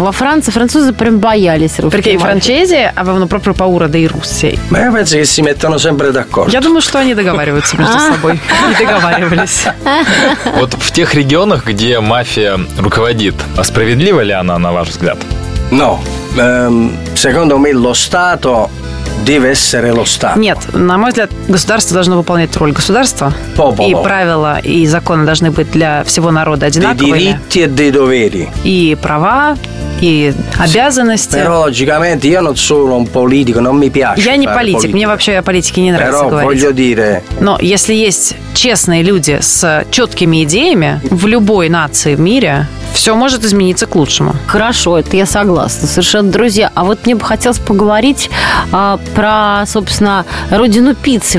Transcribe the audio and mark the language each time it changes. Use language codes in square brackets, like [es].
[ru] Во Франции французы прям боялись русской мафии. Франчези, а во пропро паура, да и русей. Я думаю, что они договариваются между собой. И договаривались. Вот в тех регионах, где мафия руководит, а справедлива ли она, на ваш взгляд? [it] Но, secondo me, lo Stato deve essere lo Stato. [ru] Нет, на мой взгляд, государство должно выполнять роль государства. [it] Popolo. [ru] И правила, и законы должны быть для всего народа одинаковыми. [it] De diritti e de doveri. [ru] И права, и обязанности. [it] Però, logicamente, io non sono un politico, non mi piace. [ru] Я не политик, мне вообще о политике не нравится [it] Però, [ru] говорить. [it] Voglio dire... [ru] Но если есть честные люди с четкими идеями в любой нации в мире... Все может измениться к лучшему. Хорошо, это я согласна. Совершенно, друзья. А вот мне бы хотелось поговорить про, собственно, родину пиццы.